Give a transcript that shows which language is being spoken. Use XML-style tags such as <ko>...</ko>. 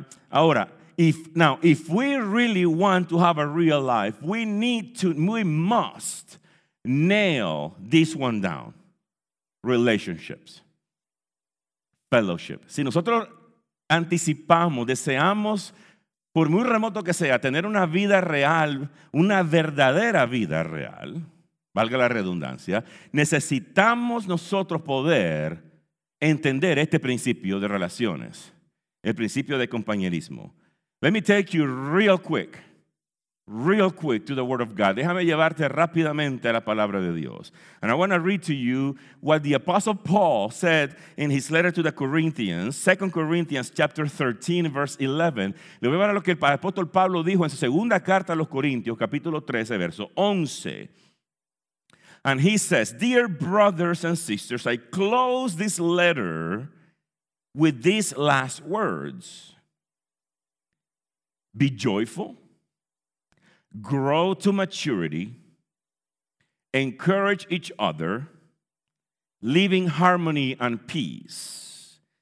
<en>Ahora, if we really want to have a real life, we must nail this one down. Relationships. Fellowship.</en> <es>Si nosotros anticipamos, deseamos, por muy remoto que sea, tener una vida real, una verdadera vida real, valga la redundancia, necesitamos nosotros poder entender este principio de relaciones, el principio de compañerismo.</es> <en>Let me take you real quick to the Word of God.</en> <es>Déjame llevarte rápidamente a la palabra de Dios.</es> <en>And I want to read to you what the Apostle Paul said in his letter to the Corinthians, 2 Corinthians chapter 13, verse 11.</en> <es>Le voy a ver lo que el apóstol Pablo dijo en su segunda carta a los Corintios, capítulo 13, verso 11.</es> <en>And he says, "Dear brothers and sisters, I close this letter with these last words. Be joyful, grow to maturity, encourage each other, live in harmony and peace.</en>